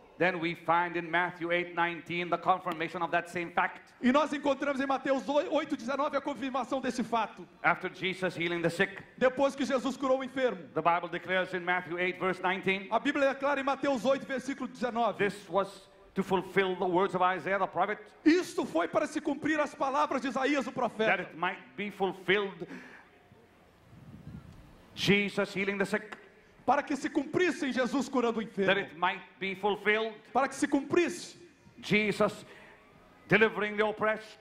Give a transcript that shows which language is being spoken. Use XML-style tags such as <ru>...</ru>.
<en>Then we find in Matthew 8:19 the confirmation of that same fact.</en> <pt>E nós encontramos em Mateus 8:19 a confirmação desse fato.</pt> <en>After Jesus healing the sick.</en> <pt>Depois que Jesus curou o enfermo.</pt> <en>The Bible declares in Matthew 8 verse 19.</en> <pt>A Bíblia declara em Mateus 8 versículo 19.</pt> <en>This was to fulfill the words of Isaiah the prophet.</en> <pt>Isto foi para se cumprir as palavras de Isaías o profeta.</pt> <en>That it might be fulfilled. Jesus healing the sick.</en> <pt>Para que se cumprisse em Jesus curando o enfermo.</pt> <en>That it might be fulfilled.</en> <pt>Para que se cumprisse.</pt> <en>Jesus delivering the oppressed.</en>